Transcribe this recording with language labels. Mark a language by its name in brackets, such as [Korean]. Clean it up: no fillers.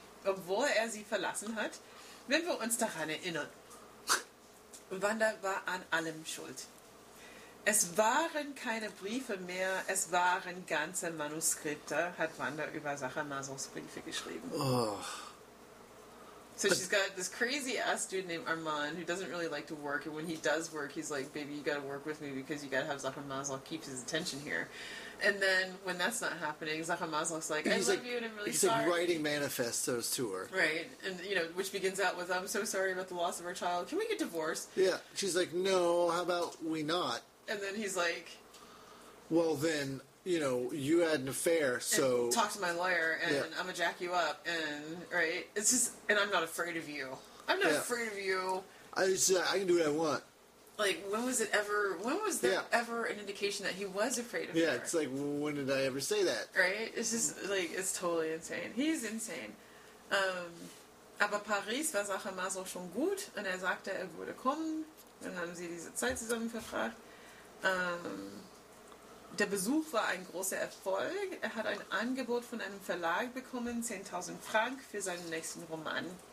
[German] Obwohl er sie verlassen hat, wenn wir uns daran erinnern. Wanda war an allem schuld. Es waren keine Briefe mehr, es waren ganze Manuskripte, hat Wanda über Sacher Masochs Briefe geschrieben. [English] Oh. So she's got this crazy ass dude named Armand who doesn't really like to work, and when he does work, he's like, baby, you gotta work with me because you gotta have Zahra Maslow keep his attention here. And then when that's not happening, Zahra Maslow's like, I love you and I'm really he's sorry. He's like writing manifestos to her. Right. And, you know, which begins out with, I'm so sorry about the loss of our child. Can we get divorced? Yeah. She's like, no, how about we not? And then he's like, well, then, you know, you had an affair, so... And talk to my lawyer, and yeah. I'm gonna jack you up, and, right? It's just, and I'm not afraid of you. I'm not afraid of you. I can do what I want. Like, when was there ever an indication that he was afraid of her? Yeah, it's like, when did I ever say that? Right? It's just, like, it's totally insane. He's insane. [German] Aber Paris war Sache Maso schon gut, und sagte, würde kommen. Dann haben sie diese Zeit zusammen verbracht. Der Besuch war ein großer Erfolg. Er hat ein Angebot von einem Verlag bekommen, 10.000 Frank, für seinen nächsten Roman.